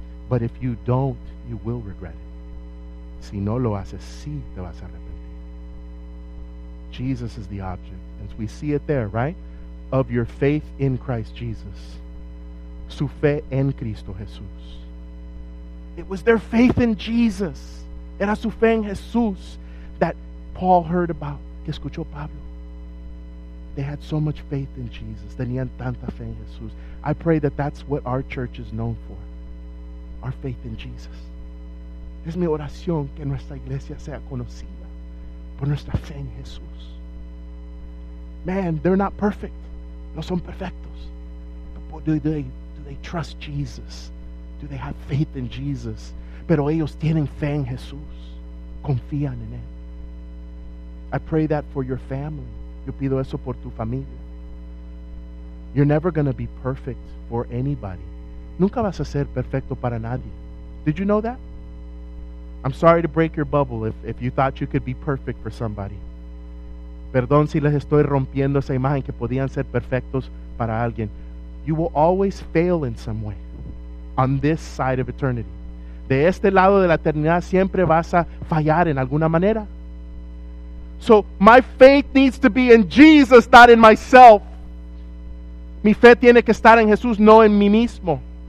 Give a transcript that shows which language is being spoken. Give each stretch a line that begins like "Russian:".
English: But if you don't, you will regret it.
Spanish: Si no lo haces, sí te vas a arrepentir.
English: Jesus is the object. And we see it there, right? Of your faith in Christ Jesus.
Spanish: Su fe en Cristo Jesús.
English: It was their faith in Jesus.
Spanish: Era su fe en Jesús
English: that Paul heard about.
Spanish: Que escuchó Pablo.
English: They had so much faith in Jesus.
Spanish: Tenían tanta fe en Jesús.
English: I pray that that's what our church is known for. Our faith in Jesus.
Spanish: Es mi oración que nuestra iglesia sea conocida por nuestra fe en Jesús.
English: Man, they're not perfect.
Spanish: No son perfectos.
English: But do they trust Jesus? Do they have faith in Jesus?
Spanish: Pero ellos tienen fe en Jesús. Confían en él.
English: I pray that for your family.
Spanish: Yo pido eso por tu familia.
English: You're never going to be perfect for anybody.
Spanish: Nunca vas a ser perfecto para nadie.
English: Did you know that? I'm sorry to break your bubble if you thought you could be perfect for somebody.
Spanish: Perdón si les estoy rompiendo esa imagen que podían ser perfectos para alguien.
English: You will always fail in some way on this side of eternity.
Spanish: De este lado de la eternidad siempre vas a fallar en alguna manera.
English: So my faith needs to be in Jesus, not in myself.
Spanish: Mi fe tiene que estar en Jesús, no en mí mismo.